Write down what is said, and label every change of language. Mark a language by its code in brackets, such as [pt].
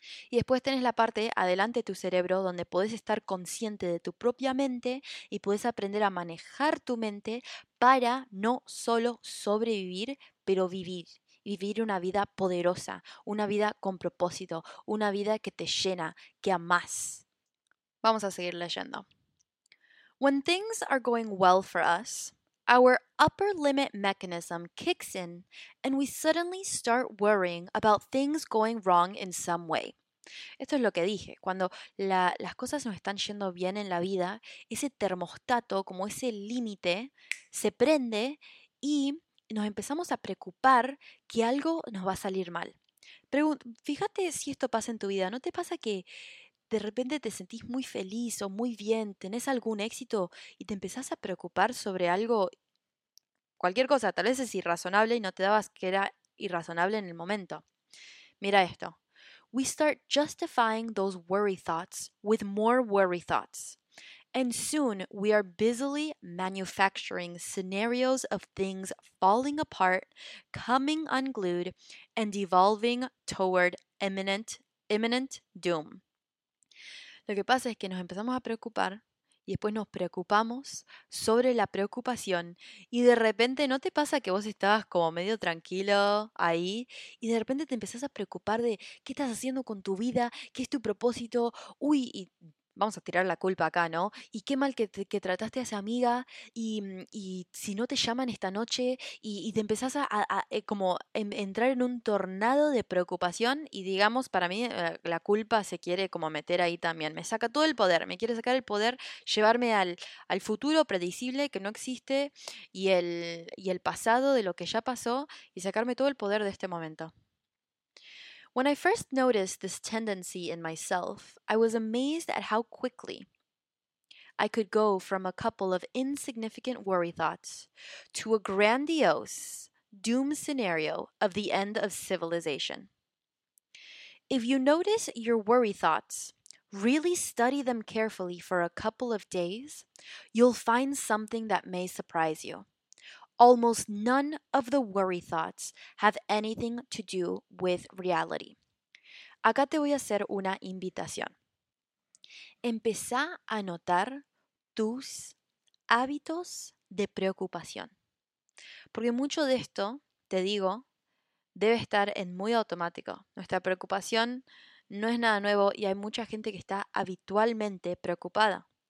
[es] Y después tenés la parte adelante de tu cerebro donde podés estar consciente de tu propia mente y podés aprender a manejar tu mente para no solo sobrevivir, pero vivir. Vivir una vida poderosa, una vida con propósito, una vida que te llena, que amás. Vamos a seguir leyendo. [en] When things are going well for us, our upper limit mechanism kicks in and we suddenly start worrying about things going wrong in some way. [es] Esto es lo que dije, cuando las cosas nos están yendo bien en la vida, ese termostato, como ese límite, se prende y nos empezamos a preocupar que algo nos va a salir mal. Fíjate si esto pasa en tu vida, ¿no te pasa que de repente te sentís muy feliz o muy bien, tenés algún éxito y te empezás a preocupar sobre algo, cualquier cosa, tal vez es irrazonable y no te dabas que era irrazonable en el momento? Mira esto. [en] We start justifying those worry thoughts with more worry thoughts. And soon we are busily manufacturing scenarios of things falling apart, coming unglued, and evolving toward imminent doom. [es] Lo que pasa es que nos empezamos a preocupar y después nos preocupamos sobre la preocupación y de repente no te pasa que vos estabas como medio tranquilo ahí y de repente te empezás a preocupar de qué estás haciendo con tu vida, qué es tu propósito, uy, y vamos a tirar la culpa acá, ¿no? Y qué mal que trataste a esa amiga y si no te llaman esta noche y te empezás a como entrar en un tornado de preocupación y digamos, para mí la culpa se quiere como meter ahí también. Me saca todo el poder, me quiere sacar el poder, llevarme al futuro predecible que no existe y el pasado de lo que ya pasó y sacarme todo el poder de este momento. [en] When I first noticed this tendency in myself, I was amazed at how quickly I could go from a couple of insignificant worry thoughts to a grandiose doom scenario of the end of civilization. If you notice your worry thoughts, really study them carefully for a couple of days, you'll find something that may surprise you. Almost none of the worry thoughts have anything to do with reality. [es] Acá te voy a hacer una invitación. Empezá a notar tus hábitos de preocupación. Porque mucho de esto, te digo, debe estar en muy automático. Nuestra preocupación no es nada nuevo y hay mucha gente que está habitualmente preocupada.